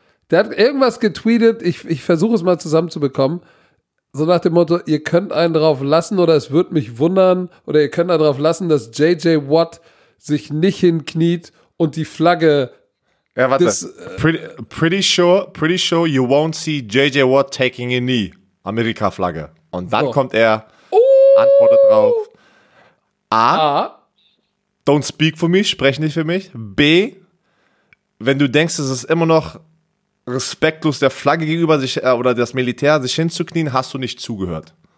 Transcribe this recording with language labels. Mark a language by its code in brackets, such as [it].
[de] Der hat irgendwas getweetet, ich versuche es mal zusammenzubekommen, so nach dem Motto, ihr könnt einen drauf lassen oder es wird mich wundern oder ihr könnt einen drauf lassen, dass JJ Watt sich nicht hinkniet und die Flagge. Ja, warte. [en] Pretty sure you won't see JJ Watt taking a knee. [de] Amerika-Flagge. Und dann kommt er, antwortet drauf. A. [en] Don't speak for me, [de] sprech nicht für mich. B. Wenn du denkst, es ist immer noch respektlos der Flagge gegenüber sich oder das Militär sich hinzuknien, hast du nicht zugehört.